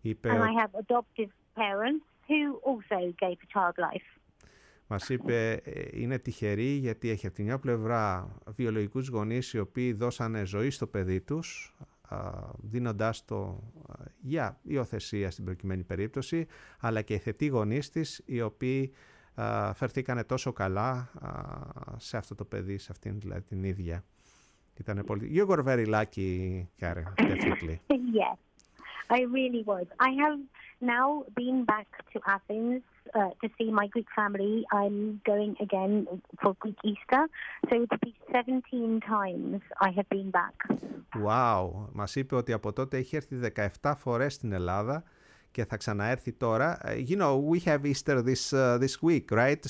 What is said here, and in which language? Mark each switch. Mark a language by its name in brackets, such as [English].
[English] And I have adoptive parents who also gave a child life. [Greek] Μας είπε είναι τυχεροί γιατί έχει από τη μια πλευρά βιολογικούς γονείς οι οποίοι δώσανε ζωή στο παιδί τους, δίνοντάς το για υιοθεσία στην προκειμένη περίπτωση, αλλά και οι θετοί γονείς της οι οποίοι φερθήκανε τόσο καλά σε αυτό το παιδί, σε αυτήν δηλαδή την ίδια. Ήτανε πολύ... [English] You were very lucky, Karen, definitely. Yes. I really was. I have now been back to Athens to see my Greek family. I'm going again for Greek Easter. So it would be 17 times I have been back. Wow. [Greek] Μας είπε ότι από τότε έχει έρθει 17 φορές στην Ελλάδα και θα ξαναέρθει τώρα. [English] You know, we have Easter this week, right?